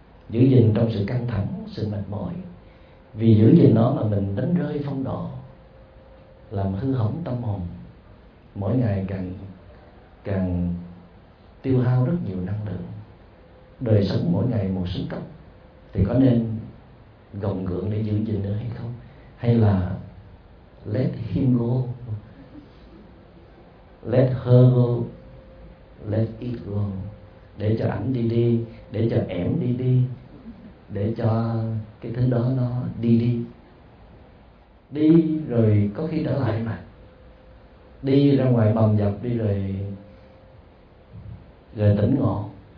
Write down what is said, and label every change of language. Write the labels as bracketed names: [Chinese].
[Vietnamese] Giữ gìn trong sự căng thẳng, sự mệt mỏi. Vì giữ gìn nó mà mình đánh rơi phong độ, làm hư hỏng tâm hồn. Mỗi ngày càng tiêu hao rất nhiều năng lượng. Đời sống mỗi ngày một xuống cấp thì có nên gồng gượng để giữ gìn nữa hay không? Hay là [English] let him go, let her go, let it go. [Vietnamese] Để cho ảnh đi đi, để cho ẻm đi đi, để cho cái thứ đó nó đi đi. Đi rồi có khi trở lại mà. Đi ra ngoài bầm dập đi rồi tỉnh ngộ.